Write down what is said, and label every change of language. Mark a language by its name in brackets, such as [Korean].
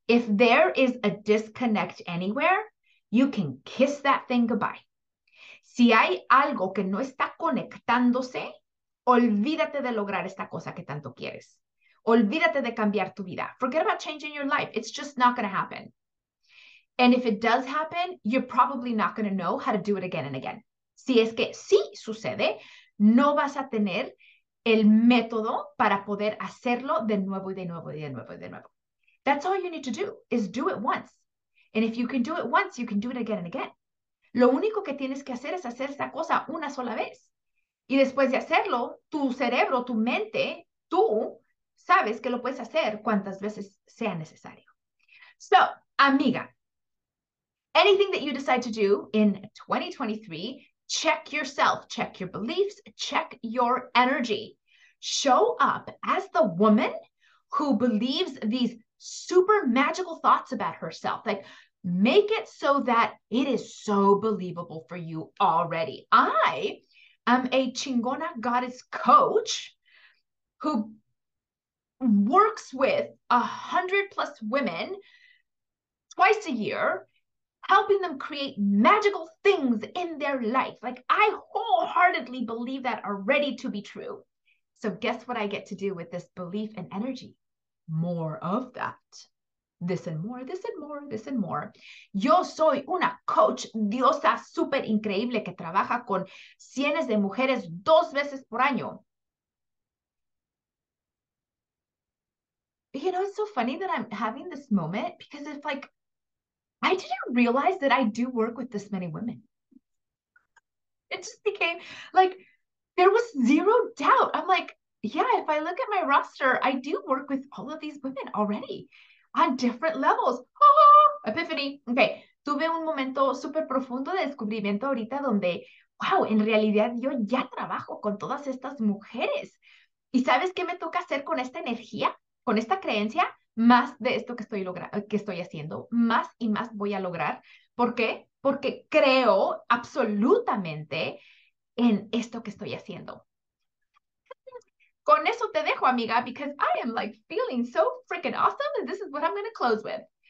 [English] If there is a disconnect anywhere, you can kiss that thing goodbye. [Spanish] Si hay algo que no está conectándose, olvídate de lograr esta cosa que tanto quieres. Olvídate de cambiar tu vida. [English] Forget about changing your life. It's just not going to happen. And if it does happen, you're probably not going to know how to do it again and again. [Spanish] Si es que sí sucede, no vas a tener el método para poder hacerlo de nuevo y de nuevo y de nuevo y de nuevo. [English] That's all you need to do, is do it once. And if you can do it once, you can do it again and again. [Spanish] Lo único que tienes que hacer es hacer esta cosa una sola vez. Y después de hacerlo, tu cerebro, tu mente, tú sabes que lo puedes hacer cuantas veces sea necesario. [English] So, amiga, anything that you decide to do in 2023, check yourself, check your beliefs, check your energy. Show up as the woman who believes these super magical thoughts about herself. Like, make it so that it is so believable for you already. I am a chingona goddess coach who works with 100+ women twice a year, helping them create magical things in their life. Like, I wholeheartedly believe that already to be true. So guess what I get to do with this belief and energy? More of that. This and more, this and more, this and more. [Spanish] Yo soy una coach diosa súper increíble que trabaja con cientos de mujeres dos veces por año. [English] You know, it's so funny that I'm having this moment because it's like, I didn't realize that I do work with this many women. It just became like, there was zero doubt. I'm like, yeah, if I look at my roster, I do work with all of these women already on different levels. Oh, epiphany. Okay. [Spanish] Tuve un momento súper profundo de descubrimiento ahorita donde, wow, en realidad yo ya trabajo con todas estas mujeres. ¿Y sabes qué me toca hacer con esta energía, con esta creencia? Más de esto que estoy logrando, que estoy haciendo, más y más voy a lograr. ¿Por qué? Porque creo absolutamente en esto que estoy haciendo. Con eso te dejo, amiga, [English] because I am like feeling so freaking awesome, and this is what I'm going to close with.